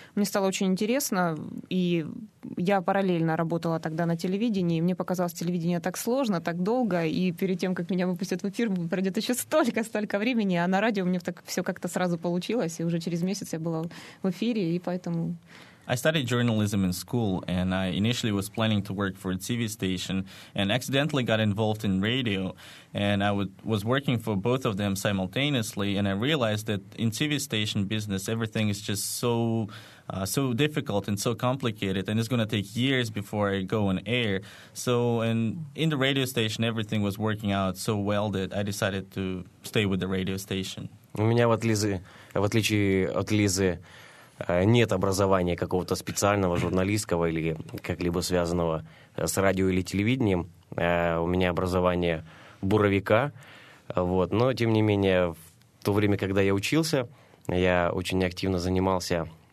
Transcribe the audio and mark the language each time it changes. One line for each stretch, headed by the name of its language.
Russian: Мне стало очень интересно, и я параллельно работала тогда на телевидении, и мне показалось телевидение так сложно, так долго, и перед тем, как меня выпустят в эфир, пройдет еще столько-столько времени, а на радио мне так все как-то сразу получилось, и уже через месяц я была в эфире, и поэтому...
English: I studied journalism in school, and I initially was planning to work for a TV station and accidentally got involved in radio, and I was working for both of them simultaneously, and I realized that in TV station business, everything is just so difficult and so complicated, and it's going to take years before I go on air. So and in the radio station, everything was working out so well that I decided to stay with the radio station.
Russian: У меня вот Лизы, в отличие от Лизы, нет образования какого-то специального журналистского или как-либо связанного с радио или телевидением. У меня образование буровика. Вот. Но, тем не менее, в то время, когда я учился, я очень активно занимался...